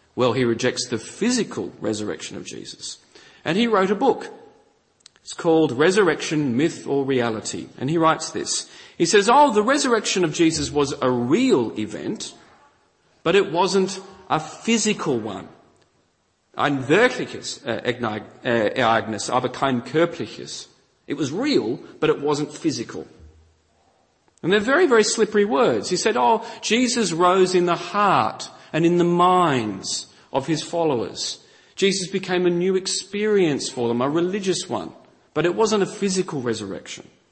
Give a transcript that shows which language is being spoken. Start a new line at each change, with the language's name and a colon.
English: Well, he rejects the physical resurrection of Jesus. And he wrote a book. It's called Resurrection, Myth or Reality. And he writes this. He says, oh, the resurrection of Jesus was a real event, but it wasn't a physical one.
German: Ein wirkliches Ereignis, aber kein körperliches.
English: It was real, but it wasn't physical. And they're very, very slippery words. He said, oh, Jesus rose in the heart and in the minds of his followers. Jesus became a new experience for them, a religious one. But it wasn't a physical resurrection.